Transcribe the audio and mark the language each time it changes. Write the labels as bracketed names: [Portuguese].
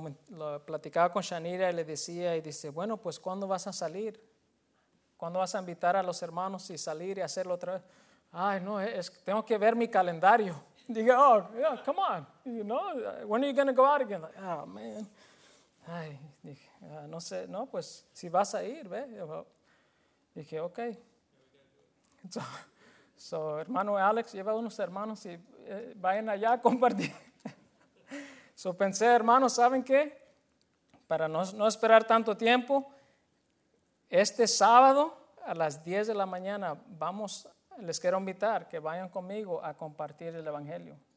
[Spanish] Lo platicaba con Shanira y le decía, y dice, bueno, pues ¿cuándo vas a salir? ¿Cuándo vas a invitar a los hermanos y salir y hacerlo otra vez? Ay, no, tengo que ver mi calendario. [English] Diga, oh, yeah, come on, you know, when are you going to go out again? Like, oh, man. [Spanish] Ay, dije, no sé, no, pues si vas a ir, ve. Dije, okay. So, hermano Alex, lleva a unos hermanos y vayan allá a compartir. So pensé, hermanos, ¿saben qué? Para no esperar tanto tiempo, este sábado a las 10 de la mañana vamos, les quiero invitar que vayan conmigo a compartir el evangelio.